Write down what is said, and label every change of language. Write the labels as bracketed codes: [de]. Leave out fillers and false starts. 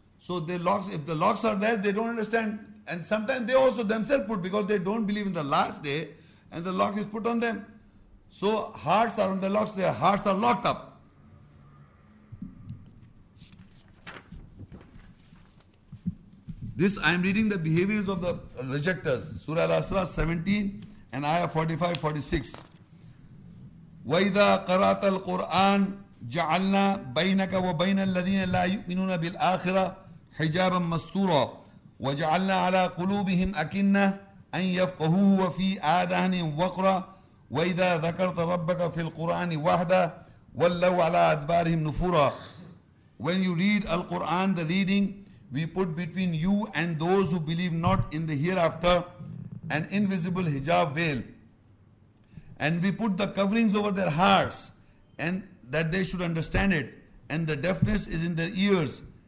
[en] So the locks, if the locks are there, they don't understand. And sometimes they also themselves put, because they don't believe in the last day, and the lock is put on them. So hearts are on the locks, their hearts are locked up. This, I am reading the behaviors of the rejectors. Surah Al-Asra 17 and Ayah 45-46. [ar] وَإِذَا قَرَاتَ الْقُرْآنَ جَعَلْنَا بَيْنَكَ وَبَيْنَ الَّذِينَ لَا يُؤْمِنُونَ بِالْآخِرَةِ حجابا مستورا وجعلنا على قلوبهم أكنة أن يفقهوه وفي آذانهم وقرا وإذا ذكرت ربك في القرآن وحده ولوا على أدبارهم نفورا. [en] When you read Al-Quran, the reading, we put between you and those who believe not in the hereafter an invisible hijab veil, and we put the coverings over their hearts, and that they should understand it, and the deafness is in their ears.